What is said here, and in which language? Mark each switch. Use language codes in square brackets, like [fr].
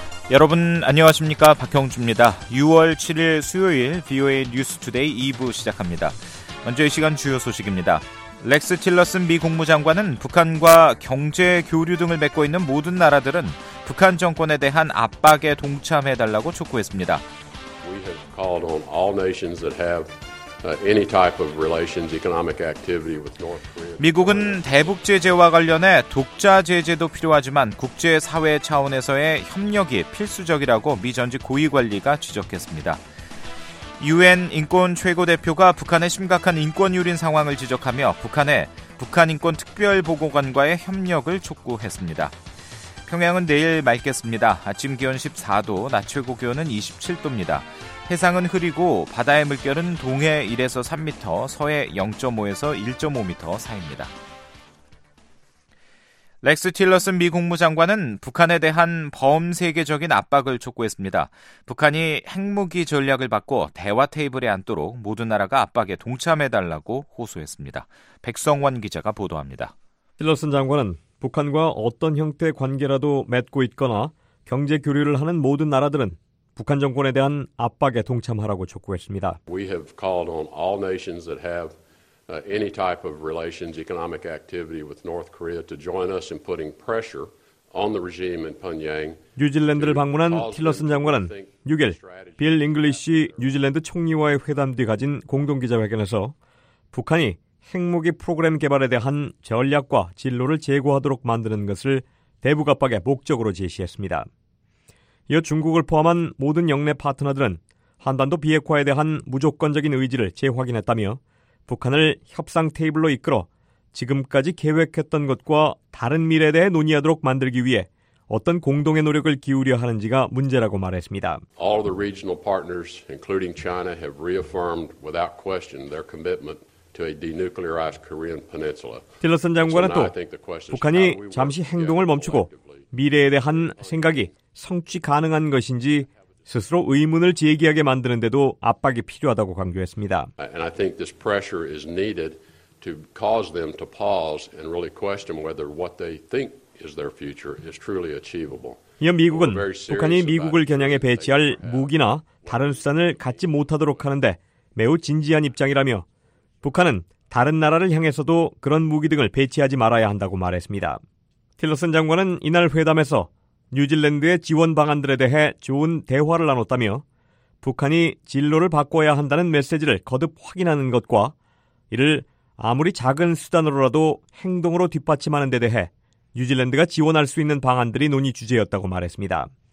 [ko] 여러분 안녕하십니까? 박형주입니다. 6월 7일 수요일 VOA News Today 2부 시작합니다. 먼저 이 시간 주요 소식입니다. 렉스 틸러슨 미 국무장관은 북한과 경제 교류 등을 맺고 있는 모든 나라들은 북한 정권에 대한 압박에 동참해 달라고 촉구했습니다. [en] We have called on all nations that have any type of relations, economic activity with North Korea. [ko] 미국은 대북 제재와 관련해 독자 제재도 필요하지만 국제 사회 차원에서의 협력이 필수적이라고 미 전직 고위 관리가 지적했습니다. 유엔 인권 최고 대표가 북한의 심각한 인권 유린 상황을 지적하며 북한에 북한 인권 특별 보고관과의 협력을 촉구했습니다. 평양은 내일 맑겠습니다. 아침 기온 14도, 낮 최고 기온은 27도입니다. 해상은 흐리고 바다의 물결은 동해 1에서 3m, 서해 0.5에서 1.5m 사이입니다. 렉스 틸러슨 미 국무장관은 북한에 대한 범세계적인 압박을 촉구했습니다. 북한이 핵무기 전략을 받고 대화 테이블에 앉도록 모든 나라가 압박에 동참해달라고 호소했습니다. 백성원 기자가 보도합니다. 틸러슨 장관은 북한과 어떤 형태의 관계라도 맺고 있거나 경제 교류를 하는 모든 나라들은 북한 정권에 대한 압박에 동참하라고 촉구했습니다. [en] We have called on all nations that have any type of relations, economic activity with North Korea to join us in putting pressure on the regime in Pyongyang. [ko] 뉴질랜드를 방문한 틸러슨 장관은 6일 빌 잉글리시 뉴질랜드 총리와의 회담 뒤 가진 공동 기자회견에서 북한이 핵무기 프로그램 개발에 대한 전략과 진로를 제고하도록 만드는 것을 대북 압박의 목적으로 제시했습니다. 이어 중국을 포함한 모든 영내 파트너들은 한반도 비핵화에 대한 무조건적인 의지를 재확인했다며 북한을 협상 테이블로 이끌어 지금까지 계획했던 것과 다른 미래에 대해 논의하도록 만들기 위해 어떤 공동의 노력을 기울여 하는지가 문제라고 말했습니다. [en] All the regional partners, including China, have reaffirmed without question their commitment to a denuclearized Korean peninsula. [ko] 틸러슨 장관은 또 북한이 잠시 행동을 멈추고 미래에 대한 생각이 성취 가능한 것인지 스스로 의문을 제기하게 만드는 데도 압박이 필요하다고 강조했습니다. [en] And I think this pressure is needed to cause them to pause and really question whether what they think is their future is truly achievable. [ko] 이어 미국은 북한이 미국을 겨냥해 배치할 무기나 다른 수단을 갖지 못하도록 하는데 매우 진지한 입장이라며 북한은 다른 나라를 향해서도 그런 무기 등을 배치하지 말아야 한다고 말했습니다. 틸러슨 장관은 이날 회담에서 뉴질랜드의 지원 방안들에 대해 좋은 대화를 나눴다며 북한이 진로를 바꿔야 한다는 메시지를 거듭 확인하는 것과 이를 아무리 작은 수단으로라도 행동으로 뒷받침하는 데 대해 뉴질랜드가 지원할 수 있는 방안들이 논의 주제였다고 말했습니다.